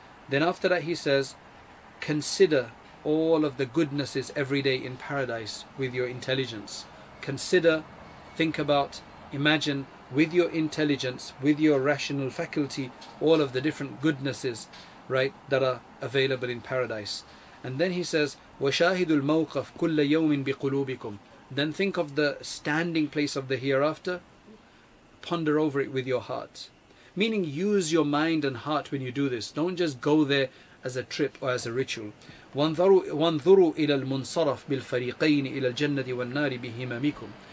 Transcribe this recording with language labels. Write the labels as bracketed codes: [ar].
[en] Then after that, he says, consider all of the goodnesses every day in paradise with your intelligence. Consider, think about, imagine with your intelligence, with your rational faculty, all of the different goodnesses, right, that are available in paradise. And then he says, [ar] وَشَاهِدُ الْمَوْقَفْ كُلَّ يَوْمٍ بِقُلُوبِكُمْ. [en] Then think of the standing place of the hereafter, ponder over it with your heart. Meaning use your mind and heart when you do this. Don't just go there as a trip or as a ritual. [ar] وَانْظُرُوا إِلَى الْمُنْصَرَفْ بِالْفَرِيقَيْنِ إِلَى الْجَنَّةِ وَالنَّارِ بِهِمَمِكُمْ.